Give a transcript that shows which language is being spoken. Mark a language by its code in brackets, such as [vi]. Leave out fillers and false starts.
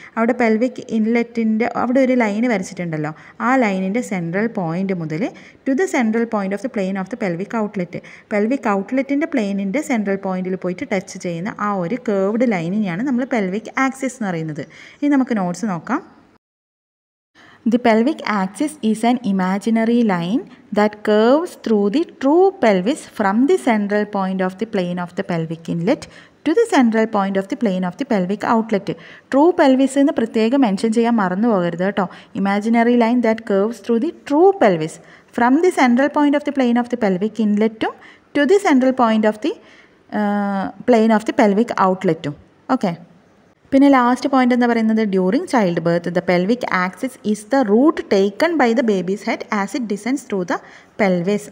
[ml] അവിടെ പെൽവിക് ഇൻലെറ്റിൻ്റെ അവിടെ ഒരു ലൈന് വരച്ചിട്ടുണ്ടല്ലോ, ആ ലൈനിൻ്റെ സെൻട്രൽ പോയിൻ്റ് മുതൽ [en] To the central point of the plane of the pelvic outlet. [ml] Pelvic ഔട്ട്ലെറ്റിൻ്റെ പ്ലെയിനിൻ്റെ central പോയിൻ്റിൽ പോയിട്ട് ടച്ച് ചെയ്യുന്ന ആ ഒരു കേർവ്ഡ് ലൈനിനെയാണ് നമ്മൾ പെൽവിക് ആക്സിസ് എന്ന് പറയുന്നത്. ഇനി നമുക്ക് നോട്ട്സ് നോക്കാം. [en] The pelvic axis is an imaginary line that curves through the true pelvis from the central point of the plane of the pelvic inlet to the central point of the plane of the pelvic outlet. [ml] True pelvis എന്ന് പ്രത്യേകം mention ചെയ്യാൻ മറന്നു പോകരുത് കേട്ടോ. [en] Imaginary line that curves through the true pelvis from the central point of the plane of the pelvic ഇൻലെറ്റും to the central point of the plane of the pelvic ഔട്ട്ലെറ്റും. [ml] Okay, പിന്നെ last point എന്ന് പറയുന്നത് [en] During childbirth the pelvic axis is the route taken by the baby's head as it descends through the pelvis.